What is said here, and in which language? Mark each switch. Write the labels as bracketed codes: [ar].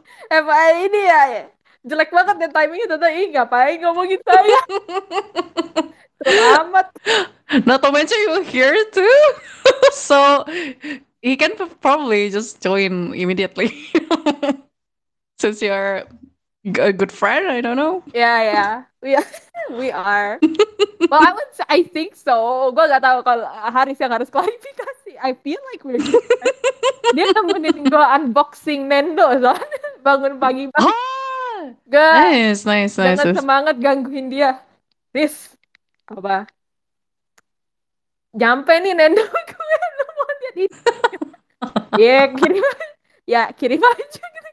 [id] apa ini ya, jelek banget ya timingnya. Tante ih ngapain ngomongin saya, selamat. [en] Not to mention you here too. So he can probably just join immediately. Since you're a good friend, I don't know. Yeah, we are. Well, I think so. [id] Gue gak tau kalau Haris yang harus klarifikasi. [en] I feel like we're good friends. [id] Dia nemenin gue unboxing Nendo, so bangun pagi-pagi. Gue [en] Nice, nice, nice. [id] jangan semangat gangguin dia. Riz, apa? Nyampe nih Nendo gue, lu mau lihat ini? Yeah, kirim. Ya, kirim aja.